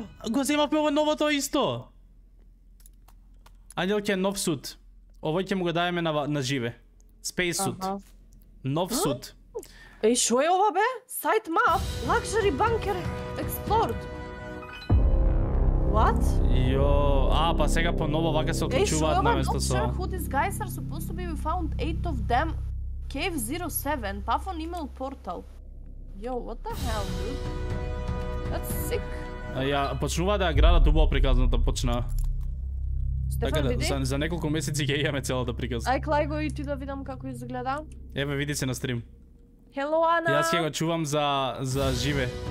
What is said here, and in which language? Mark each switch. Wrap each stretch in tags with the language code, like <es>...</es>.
<mk>Го земавме ово новото исто! Ангелке, нов сут. Овој ќе му го дадеме на живе. Space сут. Нов сут. Ей, шо е ова бе?</mk> <en>Site map? Luxury bunker explored? What?</en> <mk>Йо, па сега по ново вака се отключуваат на место со... Ей, шо е ова?</mk> <en>Not sure who these guys are found 8 of them.</en> <mk>Cave 07. Пафон имел портал.</mk> <en>Йо, what the hell, dude? That's sick.</en> <mk>Ја, почнува да ја градат убаво приказната почна. Стефан, види? За неколку месеци ќе имаме целата приказа. Ај, клај го и ти да видам како изгледа. Ебе, види се на стрим. Хелло, Ана! Јас ќе го чувам за живе.</mk>